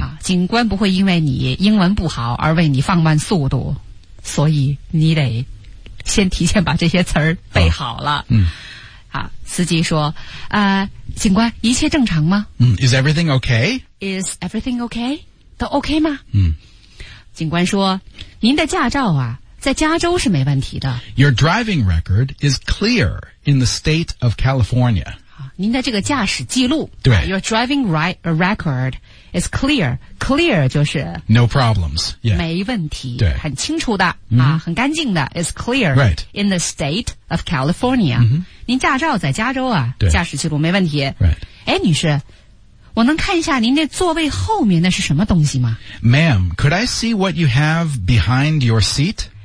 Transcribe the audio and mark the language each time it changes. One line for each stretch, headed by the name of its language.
Chinese: 啊、警官不会因为你英文不好而为你放慢速度所以你得先提前把这些词儿背好了、嗯啊、司机说、警官一切正常吗、
English: 嗯、Is everything okay? Is everything okay? 都 OK 吗、
Chinese: 嗯、警官说您的驾照啊在加州是没问题的
English: Your driving record is clear in the state of California.
Chinese: 您的这个驾驶记录对
English: Your driving record is clear. Clear 就是 No problems.、Yeah.
Chinese: 没问题对很清楚的、 mm-hmm. 啊、很干净的
English: is clear、 right. in the state of California.、 Mm-hmm.
Chinese: 您驾照在加州啊对驾驶记录没问题。
English: Right.
Chinese: 哎女士我能看一下您那座位后面的是什么东西吗
English: Ma'am, could I see what you have behind your seat?